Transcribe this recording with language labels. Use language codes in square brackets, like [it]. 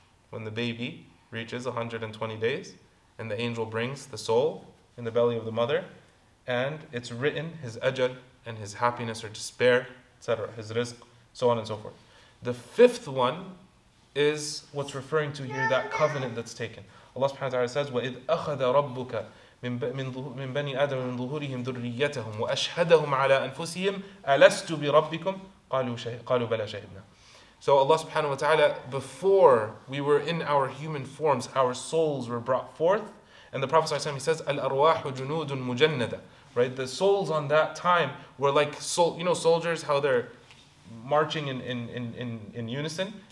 [en] When the baby reaches 120 days, and the angel brings the soul in the belly of the mother, and it's written his ajal and his happiness or despair, etc., his rizq, so on and so forth. The fifth one is what's referring to here, that covenant that's taken. Allah subhanahu wa ta'ala says, [ar] وَإِذْ أَخَذَ رَبُّكَ مِنْ بَنِي آدَمَ مِنْ ظُهُورِهِمْ ذُرِّيَّتَهُمْ وَأَشْهَدَهُمْ عَلَىٰ أَنفُسِهِمْ أَلَسْتُ بِرَبِّكُمْ قَالُوا بَلَىٰ شَهِدْنَا. [en] So Allah subhanahu wa ta'ala, before we were in our human forms, our souls were brought forth. And the Prophet ﷺ, he says, [ar] الْأَرْوَاحُ جُنُودٌ مُجَنَّدَةٌ. [en] Right? The souls on that time were like, you know, soldiers, how they're marching in unison?